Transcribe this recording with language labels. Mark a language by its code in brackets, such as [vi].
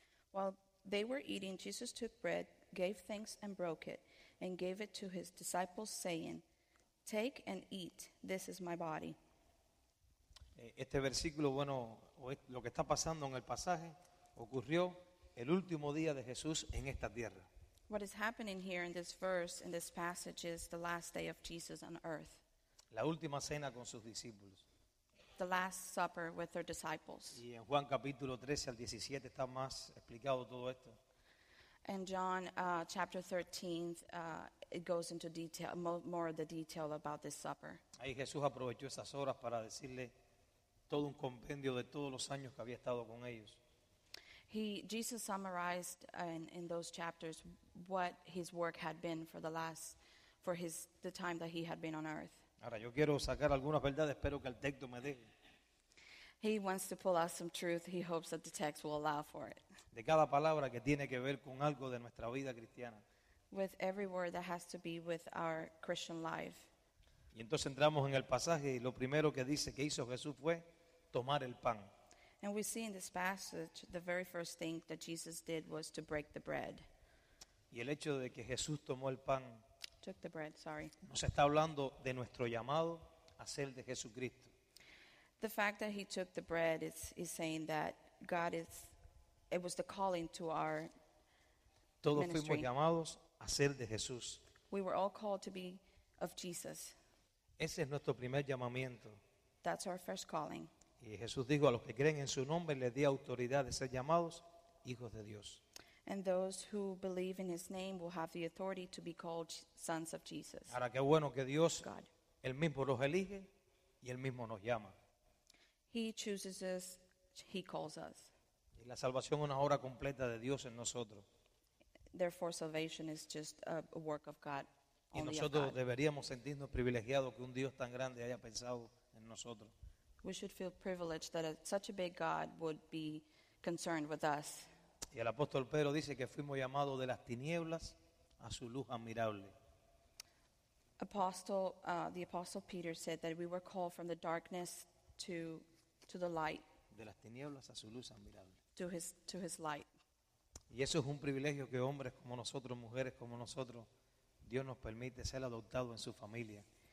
[en] While they were eating, Jesus took bread, gave thanks, and broke it, and gave it to his disciples, saying, "Take and eat, this is my body." [es] Este versículo, bueno, lo que está pasando en el pasaje, ocurrió el último día de Jesús en esta tierra. [en] What is happening here in this verse, in this passage, is the last day of Jesus on earth. [es] La última cena con sus discípulos. [en] The Last Supper with their disciples. [es] Y en Juan capítulo 13 al 17 está más explicado todo esto. [en] And John chapter 13, it goes into detail, more of the detail about this supper. [es] Ahí Jesús aprovechó esas horas para decirle todo un compendio de todos los años que había estado con ellos. [en] Jesus summarized in those chapters what his work had been for the time that he had been on earth. [es] Ahora yo quiero sacar algunas verdades, espero que el texto me deje. [en] He wants to pull out some truth. He hopes that the text will allow for it. [es] De cada palabra que tiene que ver con algo de nuestra vida cristiana. [en] With every word that has to be with our Christian life. [es] Y entonces entramos en el pasaje y lo primero que dice que hizo Jesús fue tomar el pan. [en] And we see in this passage the very first thing that Jesus did was to break the bread. [es] Y el hecho de que Jesús tomó el pan. [en] Took the bread, sorry. [es] Nos está hablando de nuestro llamado a ser de Jesucristo. [en] The fact that he took the bread is saying that it was the calling to our [es] Todos [en] ministry. [es] Fuimos llamados a ser de Jesús. [en] We were all called to be of Jesus. [es] Ese es nuestro primer llamamiento. [en] That's our first calling. [es] Y Jesús dijo a los que creen en su nombre les di autoridad de ser llamados hijos de Dios. [en] And those who believe in his name will have the authority to be called sons of Jesus. [es] Ahora qué bueno que Dios God. El mismo los elige y el mismo nos llama. [en] He chooses us, he calls us. [es] Y la salvación es una obra completa de Dios en nosotros. [en] Therefore salvation is just a work of God. [es] Y nosotros deberíamos sentirnos privilegiados que un Dios tan grande haya pensado en nosotros. [en] We should feel privileged that such a big God would be concerned with us. [es] Y el apóstol Pedro dice que fuimos llamados de las tinieblas a su luz admirable. [en] The apostle Peter said that we were called from the darkness to the light. [es] De las tinieblas a su luz admirable. [en] To his light. [es] Y eso es un privilegio que hombres como nosotros, mujeres como nosotros, Dios nos permite ser adoptados en su familia.